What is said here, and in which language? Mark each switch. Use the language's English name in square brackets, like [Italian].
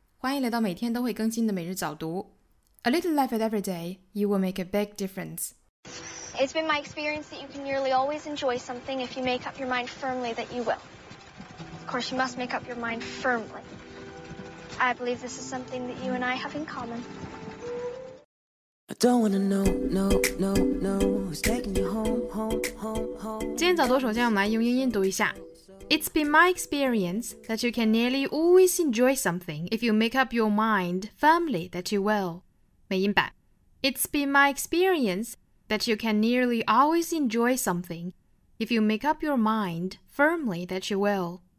[Chinese] 欢迎来到每天都会更新的每日早读。 [English] A little life at every day, you will make a big difference. It's been my experience that you can nearly always enjoy something if you make up your mind firmly that you will. Of course, you must make up your mind firmly. I believe this is something that you and I have in common. I don't wanna know, no, no, no, who's taking you home, home, home, home. [Chinese] 今天早读首先我们来用英音读一下。 [English] It's been my experience that you can nearly always enjoy something if you make up your mind firmly that you will. [Chinese] 美音版 [English] It's been my experience that you can nearly always enjoy something if you make up your mind firmly that you will.